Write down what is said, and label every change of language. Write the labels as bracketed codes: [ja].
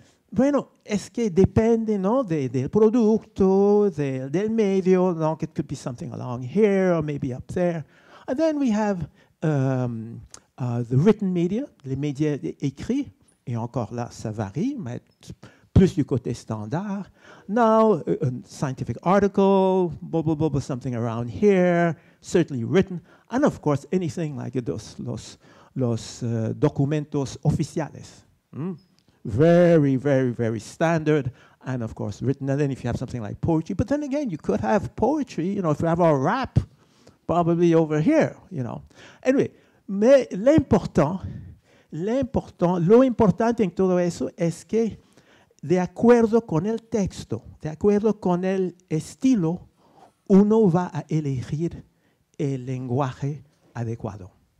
[es] Bueno, es que depende, no, del producto, del medio. [en] Donc, it could be something along here or maybe up there. And then we have the written media, [fr] les médias écrits. Et encore là, ça varie, mais plus du côté standard. [en] Now, a scientific article, blah, blah, blah, blah, something around here, certainly written. And of course, anything like [es] los documentos oficiales. [en] Very, very, very standard, and of course written. And then if you have something like poetry, but then again, you could have poetry, you know, if you have a rap, probably over here, you know. Anyway, [fr] mais l'important, l'important, [es] lo importante en todo eso es que de acuerdo con el texto, de acuerdo con el estilo, uno va a elegir el lenguaje adecuado.